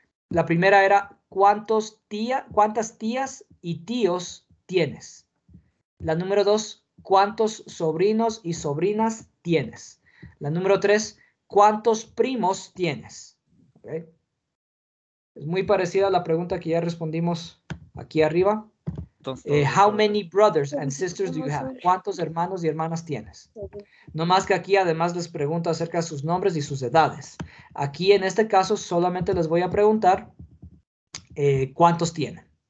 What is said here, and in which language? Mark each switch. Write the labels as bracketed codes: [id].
[es] La primera era cuántas tías y tíos tienes. La número 2, ¿cuántos sobrinos y sobrinas tienes? La número 3, ¿cuántos primos tienes? ¿Okay? Es muy parecida a la pregunta que ya respondimos aquí arriba. [en] How many brothers and sisters do you have? [es] ¿Cuántos hermanos y hermanas tienes? No más que aquí además les pregunto acerca de sus nombres y sus edades. Aquí en este caso solamente les voy a preguntar ¿cuántos tienen?